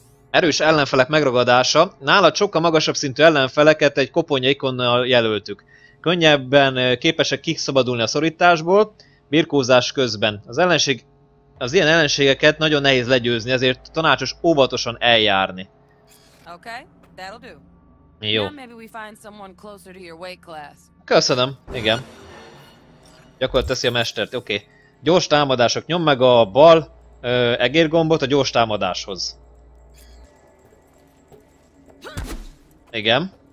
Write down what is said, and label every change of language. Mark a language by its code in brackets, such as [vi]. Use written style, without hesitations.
[hu] Erős ellenfelek megragadása. Nálad sokkal magasabb szintű ellenfeleket egy koponya ikonnal jelöltük. Könnyebben képesek kiszabadulni a szorításból, birkózás közben. Az ilyen ellenségeket nagyon nehéz legyőzni, ezért tanácsos óvatosan eljárni. [en] Okay, that'll do. [hu] Jó. [en] Maybe we find someone closer to your weight class. [hu] Köszönöm, igen. Gyakorlat teszi a mestert, oké. Okay. Gyors támadások, nyom meg a bal egérgombot a gyors támadáshoz. Igen.